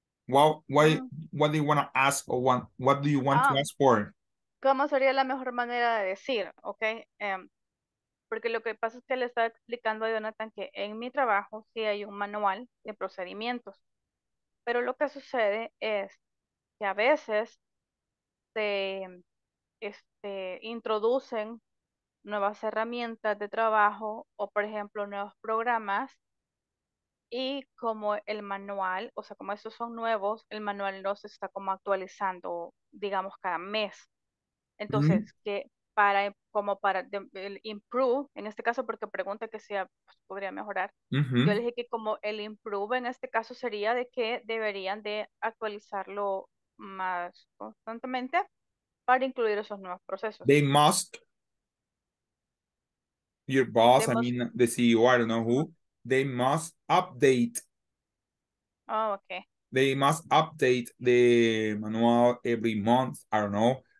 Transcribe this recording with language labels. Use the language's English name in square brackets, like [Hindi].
[English] Well, what do you want to ask or what do you want to ask for? [Spanish] ¿Cómo sería la mejor manera de decir? Okay. Porque lo que pasa es que le estaba explicando a Jonathan que en mi trabajo sí hay un manual de procedimientos. Pero lo que sucede es que a veces se introducen nuevas herramientas de trabajo o, por ejemplo, nuevos programas. Y como el manual, o sea, como esos son nuevos, el manual no se está como actualizando, digamos, cada mes. Entonces, que para como para el improve, en este caso porque pregunta que sea pues podría mejorar. Yo le dije que como el improve en este caso sería de que deberían de actualizarlo más constantemente para incluir esos nuevos procesos. [English] They must, your boss, they must, I mean the CEO, I don't know who, they must update. Oh, okay. They must update the manual every month, I don't know.